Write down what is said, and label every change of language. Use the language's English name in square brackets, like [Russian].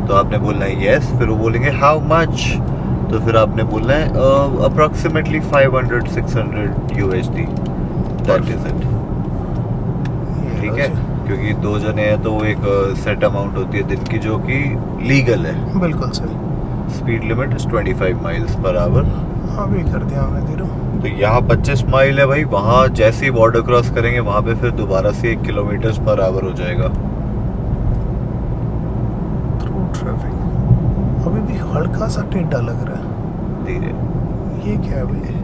[Hindi] तो आपने बोलना है [English] yes, [Hindi] फिर वो बोलेंगे [English] How much? [Hindi] तो फिर आपने बोलना है [English] approximately 500-600 USD. That is it. [Hindi] ठीक है, क्योंकि दो जने हैं तो वो एक सेट अमाउंट होती है दिन की जो कि लीगल है. बिल्कुल sir. [English] Speed limit 25 miles per hour. [Hindi] अभी कर दिया हमने धीरे. तो यहाँ 25 माइल है भाई, वहाँ जैसे ही बॉर्डर क्रॉस करेंगे वहाँ पे फिर दोबारा से 1 km/h हो जाएगा. अभी भी हल्का सा टेढ़ा लग रहा है धीरे. ये क्या है भाई?